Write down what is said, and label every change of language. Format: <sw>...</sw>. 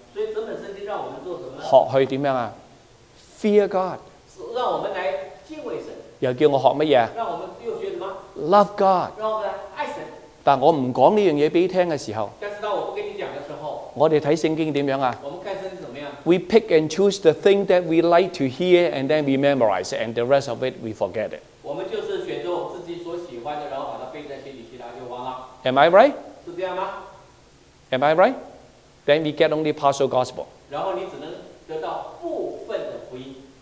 <zh>所以整本圣经让我们做什么？学去怎样</zh> <en>fear God，</en> <zh>让我们来敬畏神。又叫我学什么？让我们又学什么？</zh> <en>Love God，</en> <zh>让我们爱神。但我不讲这件事给你听的时候，但是当我不跟你讲的时候，我们看圣经怎样啊？我们看圣经怎么样？</zh> <en>We pick and choose the thing that we like to hear and then we memorize it, and the rest of it we forget it。</en> <zh>我们就是选择我们自己所喜欢的，然后把它背在心里，其他就忘了。</zh> <en>Am I right？</en> <zh>是这样吗？</zh> <en>Am I right？ Then we get only partial gospel，</en> <zh>然后你只能得到部分的福音。</zh>